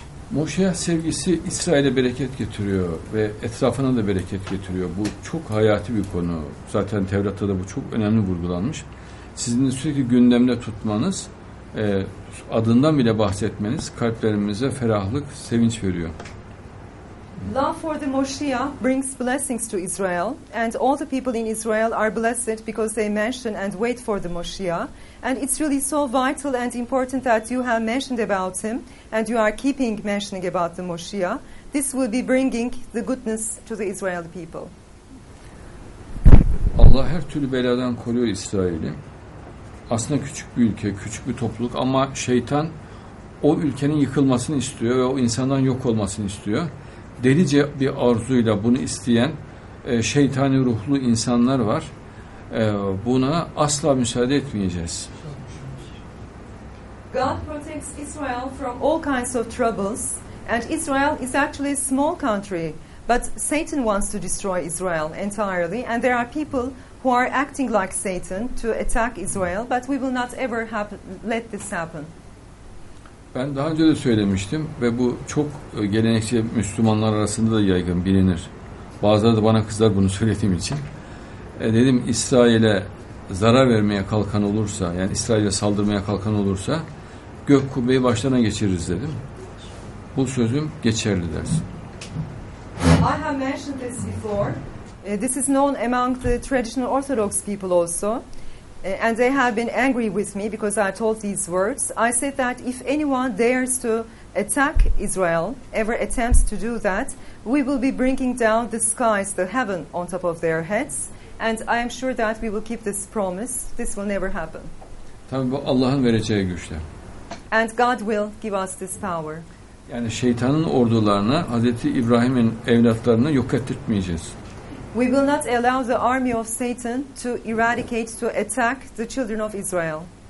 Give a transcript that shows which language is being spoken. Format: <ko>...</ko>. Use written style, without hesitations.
<tr>Moşiyah sevgisi İsrail'e bereket getiriyor ve etrafına da bereket getiriyor. Bu çok hayati bir konu. Zaten Tevrat'ta da bu çok önemli vurgulanmış. Sizin sürekli gündemde tutmanız, adından bile bahsetmeniz kalplerimize ferahlık, sevinç veriyor.</tr> <en>Love for the Moshiach brings blessings to Israel, and all the people in Israel are blessed because they mention and wait for the Moshiach. And it's really so vital and important that you have mentioned about him, and you are keeping mentioning about the Moshiach. This will be bringing the goodness to the Israeli people.</en> <tr>Allah her türlü beladan koruyor İsrail'i. Aslında küçük bir ülke, küçük bir topluluk, ama şeytan o ülkenin yıkılmasını istiyor ve o insandan yok olmasını istiyor. Delice bir arzuyla bunu isteyen şeytani ruhlu insanlar var. Buna asla müsaade etmeyeceğiz.</tr> <en>God protects Israel from all kinds of troubles, and Israel is actually a small country, but Satan wants to destroy Israel entirely, and there are people who are acting like Satan to attack Israel, but we will not ever let this happen.</en> <tr>Ben daha önce de söylemiştim ve bu çok gelenekçi Müslümanlar arasında da yaygın, bilinir. Bazıları da bana kızar bunu söylediğim için. Dedim, İsrail'e zarar vermeye kalkan olursa, yani İsrail'e saldırmaya kalkan olursa gök kubbeyi başlarına geçiririz dedim. Bu sözüm geçerli dersin.</tr> <en>I have mentioned this before. This is known among the traditional Orthodox people also. And they have been angry with me because I told these words. I said that if anyone dares to attack Israel, ever attempts to do that, we will be bringing down the skies, the heaven on top of their heads. And I am sure that we will keep this promise. This will never happen.</en> <tr>Tabii bu Allah'ın vereceği güçle.</tr> <en>And God will give us this power.</en> <tr>Yani şeytanın ordularına, Hazreti İbrahim'in evlatlarına yok ettirtmeyeceğiz.</tr> <en>We will not allow the army of Satan to eradicate, to attack the children of Israel.</en>